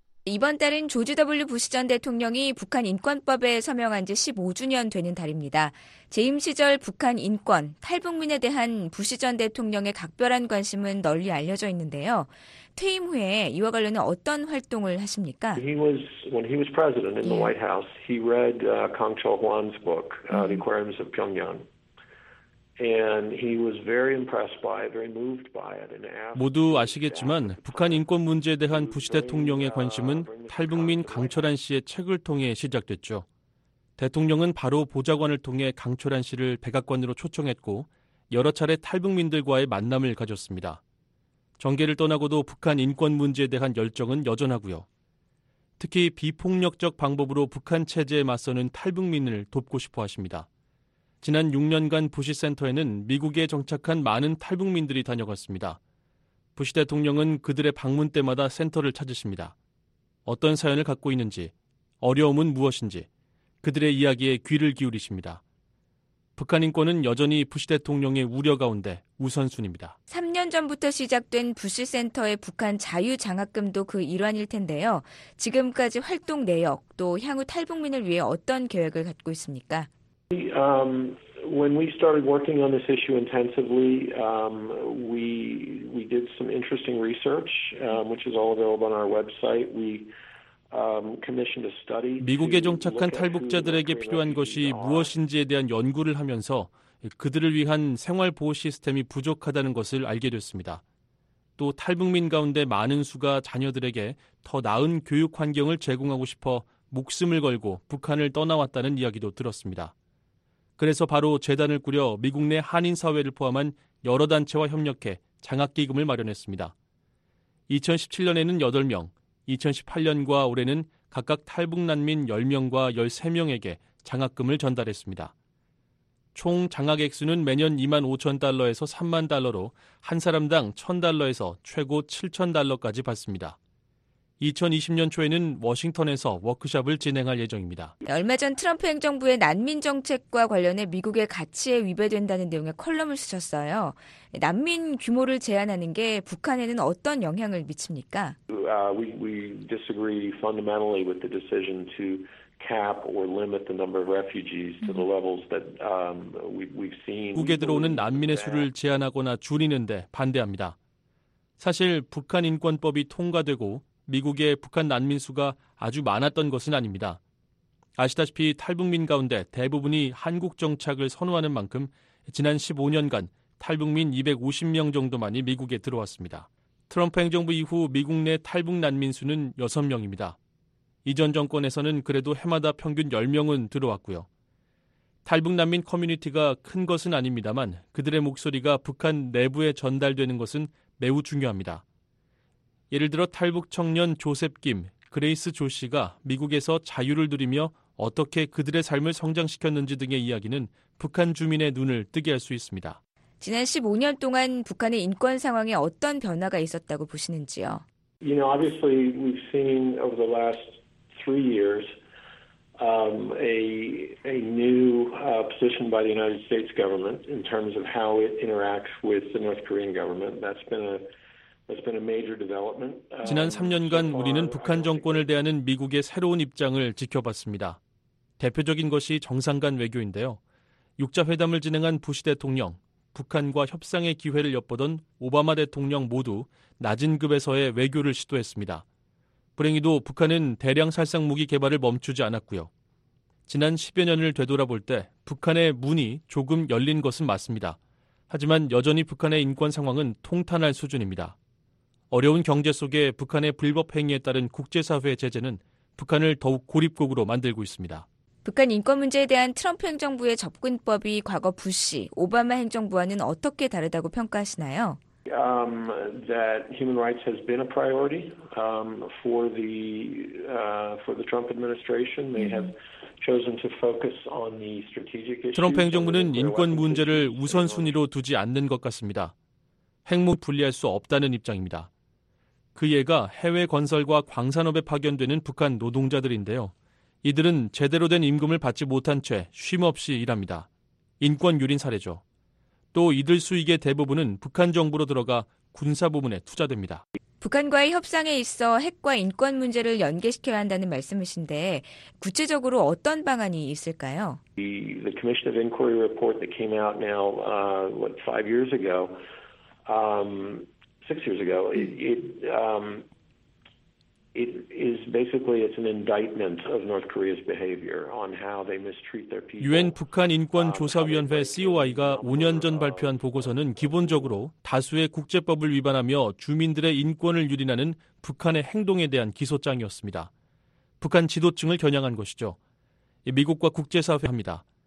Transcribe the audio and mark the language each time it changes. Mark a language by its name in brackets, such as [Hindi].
[Korean] 이번 달은 조지 W. 부시 전 대통령이 북한 인권법에 서명한 지 15주년 되는 달입니다. 재임 시절 북한 인권, 탈북민에 대한 부시 전 대통령의 각별한 관심은 널리 알려져 있는데요. 퇴임 후에 이와 관련해 어떤 활동을 하십니까? [English] When he was president in the White House, he read Kang Chol-hwan's book, The Aquariums of Pyongyang. And he was very impressed by it, very moved by it. [Korean] 모두 아시겠지만 북한 인권 문제에 대한 부시 대통령의 관심은 탈북민 강철한 씨의 책을 통해 시작됐죠. 대통령은 바로 보좌관을 통해 강철한 씨를 백악관으로 초청했고 여러 차례 탈북민들과의 만남을 가졌습니다. 정계를 떠나고도 북한 인권 문제에 대한 열정은 여전하고요. 특히 비폭력적 방법으로 북한 체제에 맞서는 탈북민을 돕고 싶어 하십니다. 지난 6년간 부시 센터에는 미국에 정착한 많은 탈북민들이 다녀갔습니다. 부시 대통령은 그들의 방문 때마다 센터를 찾으십니다. 어떤 사연을 갖고 있는지, 어려움은 무엇인지 그들의 이야기에 귀를 기울이십니다. 북한 인권은 여전히 부시 대통령의 우려 가운데 우선순위입니다. 3년 전부터 시작된 부시 센터의 북한 자유장학금도 그 일환일 텐데요. 지금까지 활동 내역 또 향후 탈북민을 위해 어떤 계획을 갖고 있습니까? [English] When we started working on this issue intensively, we did some interesting research, which is all available on our website. We [Korean] 미국에 정착한 탈북자들에게 필요한 것이 무엇인지에 대한 연구를 하면서 그들을 위한 생활보호 시스템이 부족하다는 것을 알게 됐습니다. 또 탈북민 가운데 많은 수가 자녀들에게 더 나은 교육 환경을 제공하고 싶어 목숨을 걸고 북한을 떠나왔다는 이야기도 들었습니다. 그래서 바로 재단을 꾸려 미국 내 한인사회를 포함한 여러 단체와 협력해 장학기금을 마련했습니다. 2017년에는 8명, 2018년과 올해는 각각 탈북난민 10명과 13명에게 장학금을 전달했습니다. 총 장학액수는 매년 2만 5천 달러에서 3만 달러로 한 사람당 1천 달러에서 최고 7천 달러까지 받습니다. 2020년 초에는 워싱턴에서 워크숍을 진행할 예정입니다. 얼마 전 트럼프 행정부의 난민 정책과 관련해 미국의 가치에 위배된다는 내용의 컬럼을 쓰셨어요. 난민 규모를 제한하는 게 북한에는 어떤 영향을 미칩니까? [English] We disagree fundamentally with the decision to cap or limit the number of refugees to the levels that we've seen. [Korean] 국에 들어오는 난민의 수를 제한하거나 줄이는데 반대합니다. 사실 북한 인권법이 통과되고 미국의 북한 난민 수가 아주 많았던 것은 아닙니다. 아시다시피 탈북민 가운데 대부분이 한국 정착을 선호하는 만큼 지난 15년간 탈북민 250명 정도만이 미국에 들어왔습니다. 트럼프 행정부 이후 미국 내 탈북 난민 수는 6명입니다. 이전 정권에서는 그래도 해마다 평균 10명은 들어왔고요. 탈북 난민 커뮤니티가 큰 것은 아닙니다만 그들의 목소리가 북한 내부에 전달되는 것은 매우 중요합니다. 예를 들어 탈북 청년 조셉 김, 그레이스 조 씨가 미국에서 자유를 누리며 어떻게 그들의 삶을 성장시켰는지 등의 이야기는 북한 주민의 눈을 뜨게 할 수 있습니다. 지난 15년 동안 북한의 인권 상황에 어떤 변화가 있었다고 보시는지요? [English] You know, obviously we've seen over the last three years a new position by the United States government in terms of how it interacts with the North Korean government. That's been a [Korean] 지난 3년간 우리는 북한 정권을 대하는 미국의 새로운 입장을 지켜봤습니다. 대표적인 것이 정상 간 외교인데요. 6자회담을 진행한 부시 대통령, 북한과 협상의 기회를 엿보던 오바마 대통령 모두 낮은 급에서의 외교를 시도했습니다. 불행히도 북한은 대량 살상 무기 개발을 멈추지 않았고요. 지난 10여 년을 되돌아볼 때 북한의 문이 조금 열린 것은 맞습니다. 하지만 여전히 북한의 인권 상황은 통탄할 수준입니다. 어려운 경제 속에 북한의 불법 행위에 따른 국제사회의 제재는 북한을 더욱 고립국으로 만들고 있습니다. 북한 인권 문제에 대한 트럼프 행정부의 접근법이 과거 부시, 오바마 행정부와는 어떻게 다르다고 평가하시나요? [English] That human rights has been a priority for the Trump administration. They have chosen to focus on the strategic issues. [Korean] 트럼프 행정부는 인권 문제를 우선순위로 두지 않는 것 같습니다. 핵무 분리할 수 없다는 입장입니다. 그 예가 해외 건설과 광산업에 파견되는 북한 노동자들인데요. 이들은 제대로 된 임금을 받지 못한 채 쉼 없이 일합니다. 인권 유린 사례죠. 또 이들 수익의 대부분은 북한 정부로 들어가 군사 부문에 투자됩니다. 북한과의 협상에 있어 핵과 인권 문제를 연계시켜야 한다는 말씀이신데 구체적으로 어떤 방안이 있을까요? [English] The Commission of Inquiry report that came out now what 5 years ago. It is basically it's an indictment of North Korea's behavior on how they mistreat their people. [Korean] UN 북한 인권 조사위원회 COI가 5년 전 발표한 보고서는 기본적으로 다수의 국제법을 위반하며 주민들의 인권을 유린하는 북한의 행동에 대한 기소장이었습니다. 북한 지도층을 겨냥한 것이죠. 미국과 국제사회입니다.